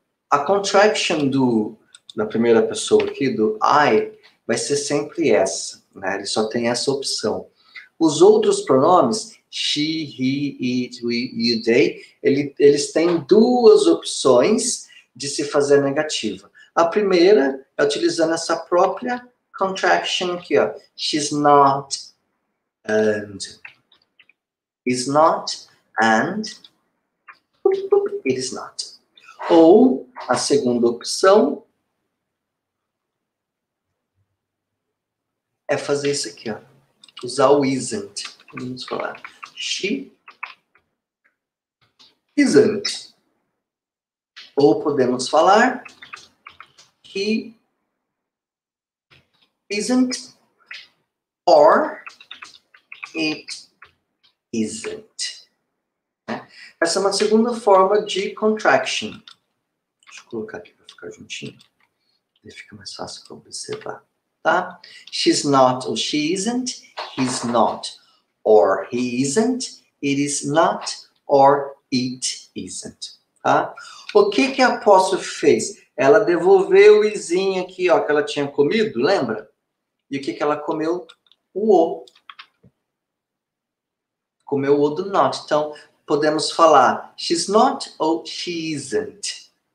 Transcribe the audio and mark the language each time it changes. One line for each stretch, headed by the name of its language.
Portuguese: A contraction da primeira pessoa aqui, do I, vai ser sempre essa. Né? Ele só tem essa opção. Os outros pronomes, she, he, it, we, you, they, eles têm duas opções de se fazer negativa. A primeira é utilizando essa própria contraction aqui, ó.
English: She's not, and is not, and it is not.
Portuguese: Ou a segunda opção é fazer isso aqui, ó. Usar o isn't. Vamos falar.
English: She isn't.
Portuguese: Ou podemos falar
English: he isn't or it isn't.
Portuguese: Essa é uma segunda forma de contraction. Deixa eu colocar aqui para ficar juntinho. Aí fica mais fácil para observar. Tá?
English: She's not or she isn't, he's not. Or he isn't, it is not, or it isn't.
Portuguese: Tá? O que que a apóstrofe fez? Ela devolveu o izinho aqui, ó, que ela tinha comido, lembra? E o que que ela comeu? O. Comeu o do not. Então, podemos falar
English: she's not or she isn't.